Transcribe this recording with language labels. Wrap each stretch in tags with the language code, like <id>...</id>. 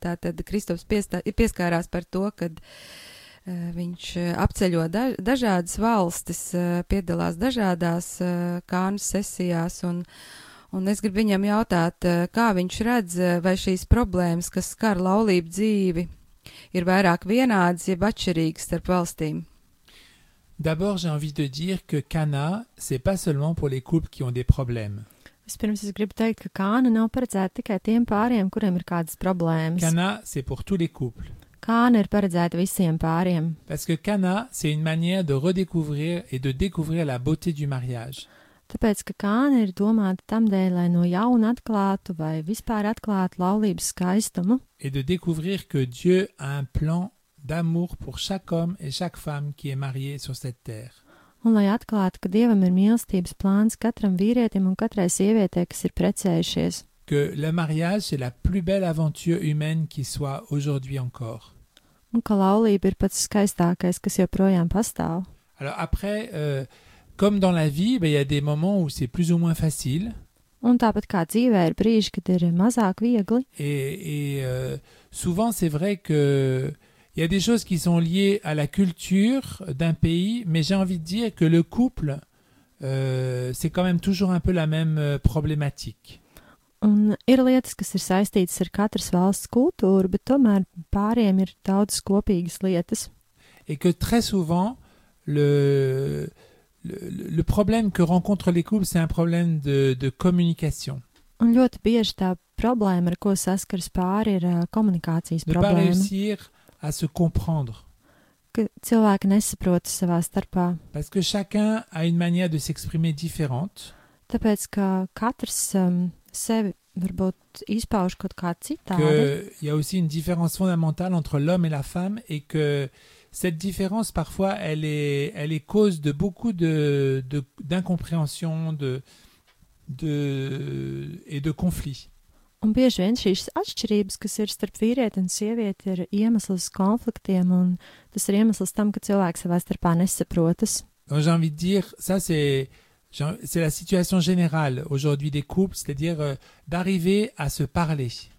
<lv>Tātad Kristaps pieskārās par to, ka viņš apceļo dažādas valstis, piedalās dažādās kānu sesijās un es gribu viņam jautāt, kā viņš redz, vai šīs problēmas, kas skar laulību dzīvi, ir vairāk vienādas, jeb atšķirīgas starp valstīm.</lv> <fr>D'abord, j'ai envie de dire que Cana, c'est pas seulement pour les couples qui ont des problèmes.</fr> <lv>Vispirms, es gribu teikt, ka Cana nav paredzēta tikai tiem pāriem, kuriem ir kādas problēmas.</lv> <fr>Cana, c'est pour tous les couples.</fr> <lv>Cana ir paredzēta visiem pāriem.</lv> <fr>Parce que Cana, c'est une manière de redécouvrir et de découvrir la beauté du mariage.</fr> <lv>Tāpēc, ka Cana ir domāta tamdēļ, lai no jauna atklātu vai vispār atklātu laulības skaistumu.</lv> <fr>Et de découvrir que Dieu a un plan d'amour pour chaque homme et chaque femme qui est marié sur cette terre.</fr> <lv>Un lai atklātu, ka Dievam ir mīlestības plāns katram vīrietim un katrai sievietē, kas ir precējušies.</lv> <fr>Que le mariage est la plus belle aventure humaine qui soit aujourd'hui encore.</fr> <lv>Un ka laulība ir pats skaistākais, kas joprojām pastāv.</lv> <fr>Alors après, comme dans la vie, ben il y a des moments où c'est plus ou moins facile.</fr> <lv>Un tāpat kā dzīvē ir brīži, kad ir mazāk viegli.</lv> <fr>Et souvent c'est vrai que il y a des choses qui sont liées à la culture d'un pays, mais j'ai envie de dire que le couple, c'est quand même toujours un peu la même problématique.</fr> <lv>Un ir lietas, kas ir saistītas ar katras valsts kultūru, bet tomēr pāriem ir daudz kopīgas lietas.</lv> <fr>Et que très souvent, le problème que rencontrent les couples, c'est un problème de communication.</fr> <lv>Un ļoti bieži tā problēma, ar ko saskars pāri, ir komunikācijas de problēma.</lv> <fr>De pas réussir à se comprendre.</fr> <lv>Ka cilvēki nesaprotas savā starpā.</lv> <fr>Parce que chacun a une manière de s'exprimer différente.</fr> <lv>Tāpēc, ka katrs sevi varbūt izpauž kaut kā citādi.</lv> <fr>Que y a aussi une différence fondamentale entre l'homme et la femme et que cette différence parfois elle est cause de beaucoup d'incompréhension de conflits.</fr> <lv>Un bieži vien šīs atšķirības, kas ir starp vīrieti un sievieti, ir iemesls konfliktiem un tas ir iemesls tam, ka cilvēki savā starpā nesaprotas.</lv> <fr>Donc j'ai envie de dire ça c'est la situation générale aujourd'hui des couples, c'est-à-dire d'arriver à se parler.</fr>